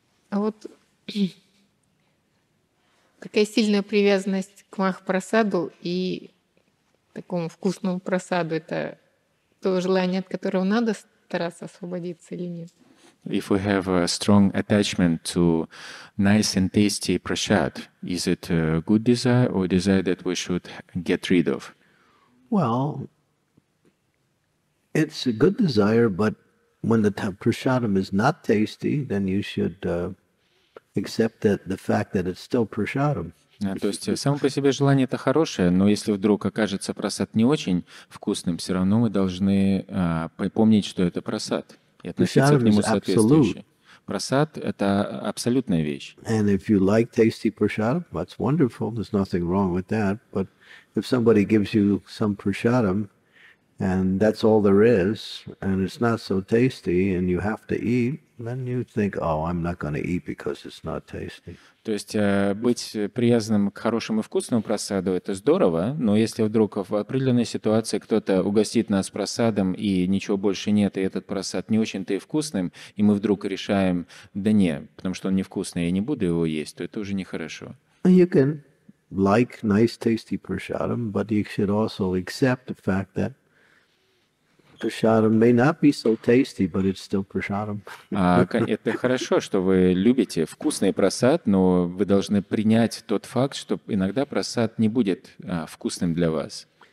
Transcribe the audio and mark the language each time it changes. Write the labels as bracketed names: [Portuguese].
[Russian] А вот такая сильная привязанность к Махапрасаду и такому вкусному просаду, это то желание, от которого надо стараться освободиться или нет? [English] If we have a strong attachment to nice and tasty prasad, is it a good desire or a desire that we should get rid of? Well, it's a good desire, but when the prasadam is not tasty, then you should accept that the fact that it's still prasadam. [Russian] То есть само по себе желание это хорошее, но если вдруг окажется прасад не очень вкусным, все равно мы должны помнить, что это прасад. И относиться к нему соответствующе. Прасад — это абсолютная вещь. [English] And if you like tasty prasadam, that's wonderful. There's nothing wrong with that. But if somebody gives you some prasadam, and that's all there is, and it's not so tasty, and you have to eat, then you think, oh, I'm not going to eat because it's not tasty. [Russian] То есть быть приязным к хорошему и вкусному просаду — это здорово, но если вдруг в определенной ситуации кто-то угостит нас просадом, и ничего больше нет, и этот просад не очень-то и вкусным, и мы вдруг решаем, да не, потому что он невкусный, я не буду его есть, то это уже нехорошо. [English] You can like nice tasty prasadam, but you should also accept the fact that prasadam may not be so tasty, but it's still prasadam. [Russian] Это хорошо, что вы любите вкусный просад, но вы должны принять тот факт, что иногда просад не будет вкусным для вас.